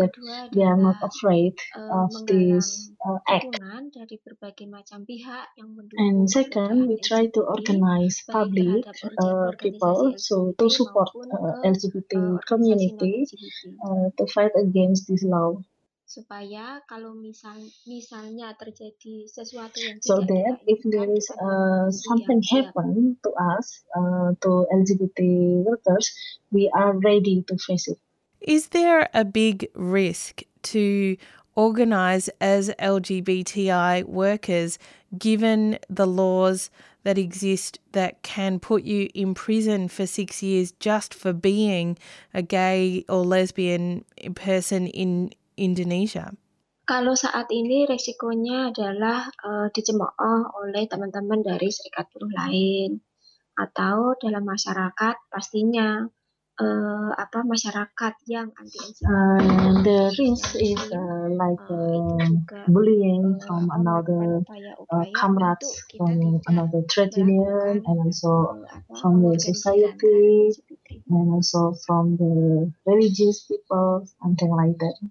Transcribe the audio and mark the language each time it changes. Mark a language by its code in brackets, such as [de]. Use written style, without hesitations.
[en] that they are not afraid of this act. [id] Dari berbagai macam pihak yang [en] and second, we try to organize public people so to support LGBT community to fight against this law. [id] Supaya kalau misalnya terjadi sesuatu yang [en] so that if there is something happen to us to LGBT workers, we are ready to face it. Is there a big risk to organize as LGBTI workers given the laws that exist that can put you in prison for 6 years just for being a gay or lesbian person in Indonesia? [id] Kalau saat ini resikonya adalah dicemooh oleh teman-teman dari serikat buruh lain atau dalam masyarakat pastinya masyarakat yang anti [en] the risk is like bullying from another comrades from another trade union and also from the society and also from the religious people, something like that.